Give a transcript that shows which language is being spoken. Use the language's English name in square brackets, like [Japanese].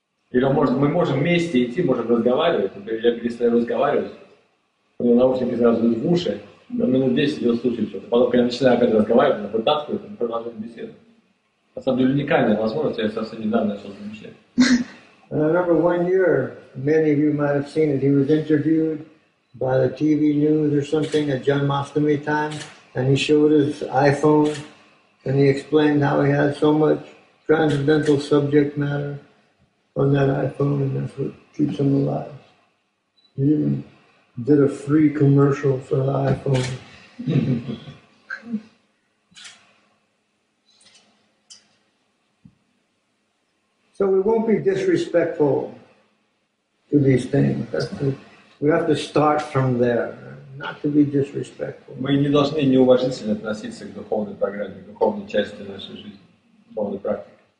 [Russian] Или мы можем вместе идти, можем разговаривать. Я перестаю разговаривать, у него наушники сразу идут в уши, на минут 10 идет слушать что-то. Потом, когда я начинаю опять разговаривать, он вытаскивает, он продолжает беседу. На самом деле, уникальная возможность, я совсем недавно начал замечать. [English] And I remember one year, many of you might have seen it, he was interviewed by the TV news or something at Janmashtami time, and he showed his iPhone, and he explained how he had so much transcendental subject matter on that iPhone, and that's what keeps him alive. He even did a free commercial for the iPhone. So we won't be disrespectful to these things. We have to start from there, not to be disrespectful. [Russian] Мы не должны неуважительно относиться к духовной программе, к духовной части нашей жизни, духовной практики.